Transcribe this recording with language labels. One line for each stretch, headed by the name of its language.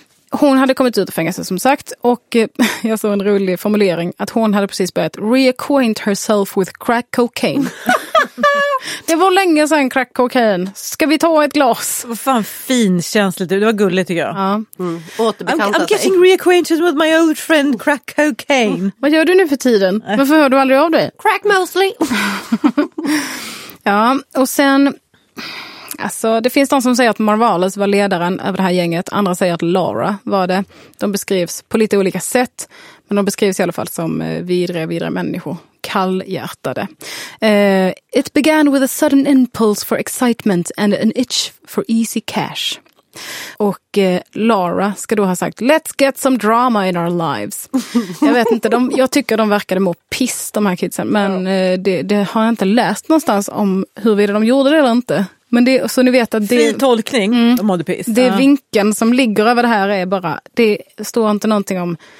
Swedish: Hon hade kommit ut ur fängelse som sagt, och jag såg en rolig formulering att hon hade precis börjat
English: reacquaint herself with crack cocaine.
Swedish: Det var länge sedan crack cocaine. Ska vi ta ett glas? Vad fan fin känsligt. Det var gulligt tycker jag. Ja. Mm. Återbekanta
English: I'm getting reacquainted with my old friend crack cocaine.
Swedish: Mm. Vad gör du nu för tiden? Varför hör du aldrig av dig?
English: Crack mostly.
Swedish: Ja, och sen... Alltså, det finns de som säger att Marvales var ledaren över det här gänget. Andra säger att Laura var det. De beskrivs på lite olika sätt. Men de beskrivs i alla fall som vidre människor. Kallhjärtade.
English: It began with a sudden impulse for excitement and an itch for easy cash.
Swedish: Och Laura ska då ha sagt,
English: let's get some drama in our lives.
Swedish: Jag vet inte, jag tycker de verkade må piss, de här kidsen. Men det har jag inte läst någonstans om huruvida de gjorde det eller inte. Men det, så ni vet att det, fri tolkning, mm, de piss. Det vinkeln som ligger över det här är bara, det står inte någonting om...